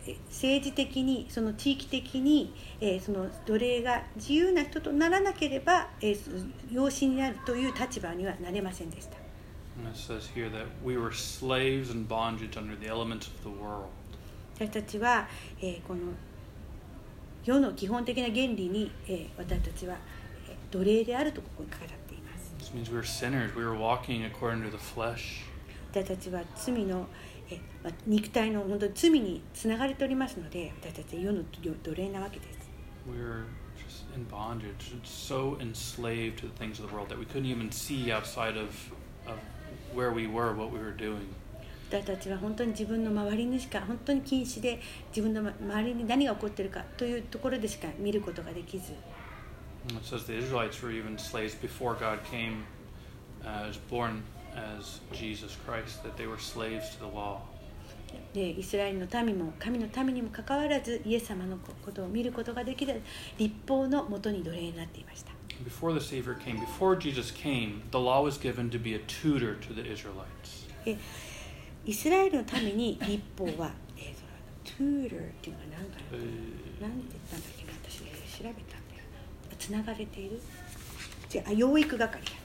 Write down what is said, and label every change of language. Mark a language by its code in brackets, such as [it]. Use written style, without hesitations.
[ja] 政治的にその地域的に、その奴隷が自由な人とならなければ、養子になるという立場にはなれませんでした。 [en] It says here that we were slaves in bondage under the elements of the world. [ja] 私たちは、この世の基本的な原理に、私たちは奴隷であるとここに書かれています。 [en] This means we were sinners. We were walking according to the flesh. [ja] 私たちは罪の、肉体の本当に罪につながれておりますので、私たちは世の奴隷なわけです。 [en] We were just in bondage, so enslaved to the things of the world that we couldn't even see outside of. Where we were, what we were doing. [ja] 私たちは本当に自分の周りにしか本当に禁止で自分の周りに何が起こっているかというところでしか見ることができず。 [en] It says the Israelites were even slaves before God came, as born as Jesus Christ, that they were slaves to the law. [ja] で、イスラエルの民も神の民にもかかわらず、イエス様のことを見ることができず、律法のもとに奴隷になっていました。 [en] Before the Savior came, before Jesus came, the law was given to be a tutor to the Israelites. [ja] イスラエルのために律法は、tutor っていうのは何だろう。何て言ったんだっけ、私調べたんだよ。つながれている。違う、養育係。